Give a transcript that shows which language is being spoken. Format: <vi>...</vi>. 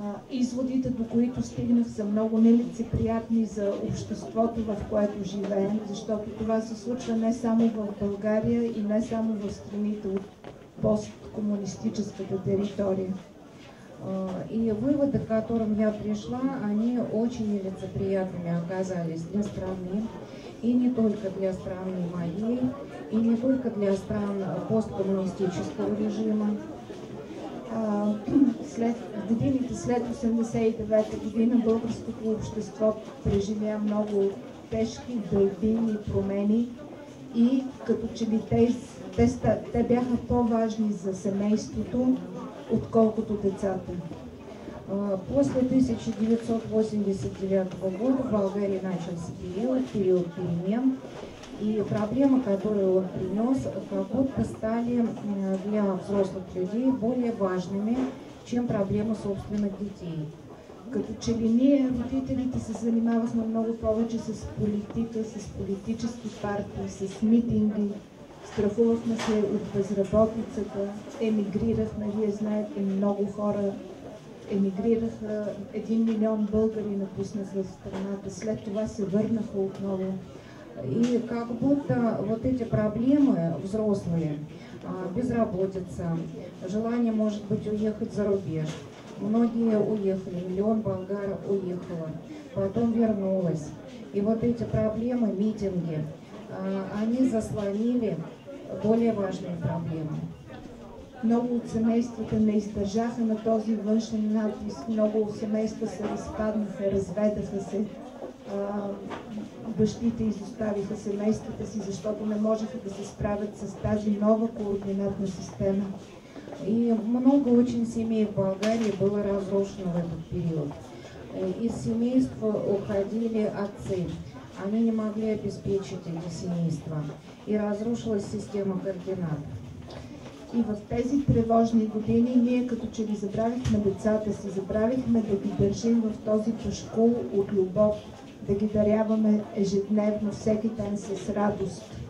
<bg>Изводите, до които стигнах, са много нелицеприятни за обществото, в което живеем, защото това се случва не само в България и не само в страните от посткомунистическата територия.</bg> <ru>И выводы, к которым я пришла, они очень нелицеприятными оказались для страны, и не только для страны моей, и не только для стран посткоммунистического режима.</ru> <bg>В годините след 1989 година българското общество преживя много тежки, дълбини промени, и като че ли те бяха по-важни за семейството, отколкото децата.</bg> <ru>После 1989 года в Болгарии начался период перемен, и проблемы, которые он принес, как будто стали для взрослых людей более важными, чем проблемы собственных детей.</ru> <bg>Като че ли ние, родителите, се занимавахме много повече с политика, с политически партии, с митинги, страхувахме се от безработицата, емигрирахме, вие знаете, много хора емигрираха, 1 милион българи напуснаха страната, след това се върнаха отново.</bg> <ru>И как будто вот эти проблемы взрослые, безработица, желание, может быть, уехать за рубеж, многие уехали, 1 миллион болгар уехало, потом вернулось. И вот эти проблемы, митинги, они заслонили более важные проблемы.</ru> <bg>Много от семействата не издържаха на този външен натиск, много от семейства се разпаднаха, разведаха се. Бащите изоставиха семействата си, защото не можеха да се справят с тази нова координатна система.</bg> <ru>И много очень семей в Болгарии было разрушено в этот период. Из семейства уходили отцы. Они не могли обеспечить эти семейства. И разрушилась система координат.</ru> <bg>И в тези тревожни години ние като че ли забравихме децата си, забравихме да ги държим в този пешкул от любов, да ги даряваме ежедневно, всеки ден с радост.</bg>